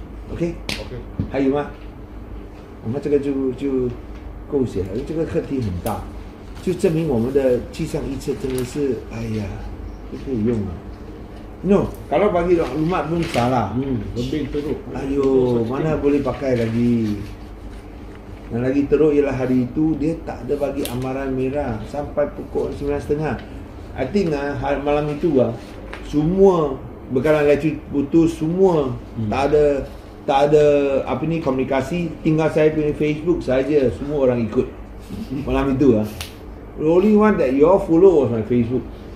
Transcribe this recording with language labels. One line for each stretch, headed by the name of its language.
Chinese: OK，OK，还有吗？我们这个就够写了，这个课题很大，就证明我们的气象预测真的是，哎呀，不可以用啊。
Malay: No， kalau bagi maklumat pun salah. Lebih teruk. Ayo, mana boleh pakai lagi? Yang lagi teruk ialah hari itu dia tak ada bagi amaran merah sampai pukul 9:30.
English: I think
Malay: malam itu semua bekalan elektrik putus, semua tak ada. Tak ada apa ni komunikasi, tinggal saya punya Facebook saja, semua orang ikut malam itu lah.
English: The only one that you all follow was my Facebook.